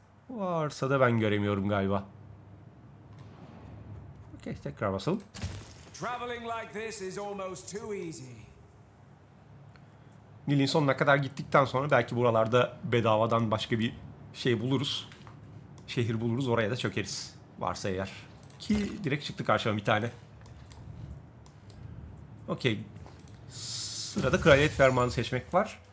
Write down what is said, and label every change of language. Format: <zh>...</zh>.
<tr>Varsa da ben göremiyorum galiba. Okay, tekrar basalım.</tr> <en>Traveling like this is almost too easy.</en> <tr>Nil'in sonuna kadar gittikten sonra belki buralarda bedavadan başka bir şey buluruz. Şehir buluruz, oraya da çökeriz. Varsa eğer. Ki direkt çıktı karşıma bir tane. Okey. Sırada kraliyet fermanı seçmek var.</tr>